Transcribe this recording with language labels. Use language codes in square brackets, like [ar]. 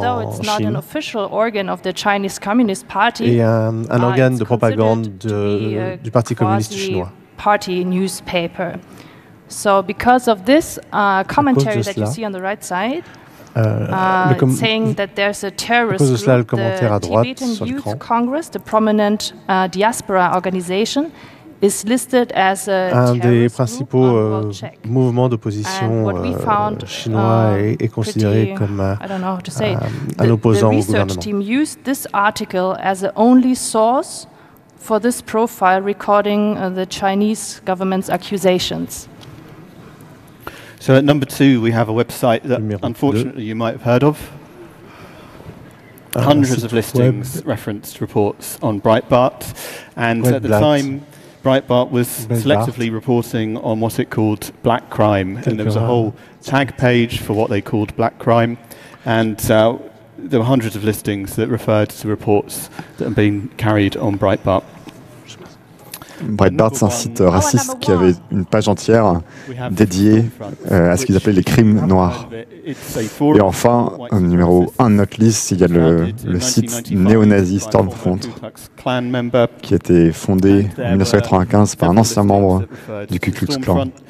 [en] Even though it's not an official organ of the Chinese Communist Party, [fr] et un organe de propagande du Parti communiste chinois. [en] Party newspaper. So because of this commentary that you see on the right side, saying that there's a terrorist group, [fr] cela, le commentaire à droite, [en] the Tibetan Youth Congress, the prominent diaspora organization, is listed as a [fr] un des principaux mouvements d'opposition chinois est considéré comme un opposant au gouvernement. [en] The research team used this article as the only source for this profile recording the Chinese government's accusations. So at number 2, we have a website that unfortunately you might have heard of. Hundreds of listings referenced reports on Breitbart. And at the time, Breitbart was selectively reporting on what it called black crime. And there was a whole tag page for what they called black crime. And there were hundreds of listings that referred to reports that had been carried on Breitbart. [fr] Breitbart, c'est un site raciste qui avait une page entière dédiée à ce qu'ils appelaient les crimes noirs. Et enfin, numéro 1 de notre liste, il y a le site néo-nazi Stormfront, qui a été fondé en 1995 par un ancien membre du Ku Klux Klan.